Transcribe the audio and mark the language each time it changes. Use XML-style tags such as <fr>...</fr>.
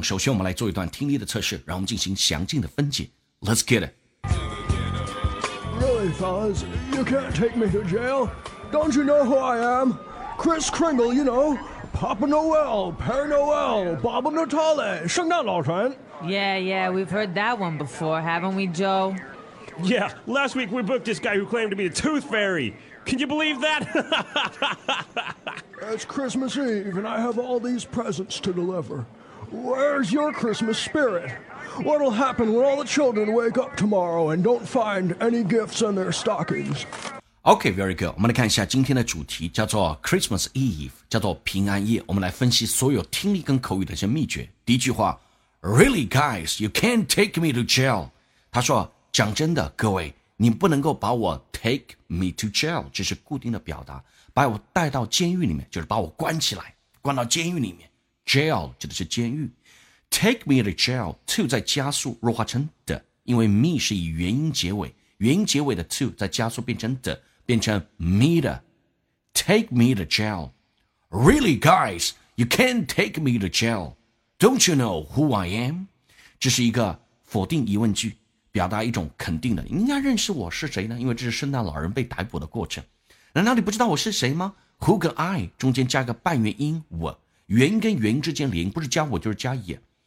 <zh>首先我们来做一段听力的测试，然后我们进行详尽的分解。</zh> <en>Let's get it. Really, fellas, you can't take me to jail. Don't you know who I am? Kris Kringle, you know, Papa Noel, Père Noel, Bob Natale, 圣诞老人。 Yeah, we've heard that one before, haven't we, Joe? Yeah, last week we booked this guy who claimed to be the Tooth Fairy. Can you believe that? It's Christmas Eve, and I have all these presents to deliver. Where's your Christmas spirit? What'll happen when all the children wake up tomorrow and don't find any gifts in their stockings? Okay, very good.</en> <zh>我们来看一下今天的主题，叫做 Christmas Eve， 叫做平安夜。我们来分析所有听力跟口语的一些秘诀。第一句话</zh> <en>，Really, guys, you can't take me to jail.</en> <zh>他说，讲真的，各位，你不能够把我</zh> <en>take me to jail，</en> <zh>这是固定的表达。把我带到监狱里面，就是把我关起来，关到监狱里面。 Jail 指的是监狱。</zh> <en>Take me to jail,</en> <zh>to 在加速弱化成 the， 因为 me 是以元音结尾，元音结尾的 to 在加速变成 the， 变成 me 的。</zh> <en>Take me to jail. Really, guys, you can't take me to jail. Don't you know who I am?</en> <zh>这是一个否定疑问句，表达一种肯定的。你应该认识我是谁呢？因为这是圣诞老人被逮捕的过程。难道你不知道我是谁吗？ Who 跟 I 中间加个半元音，我元音跟元音之间连音，不是加我就是加也。</zh>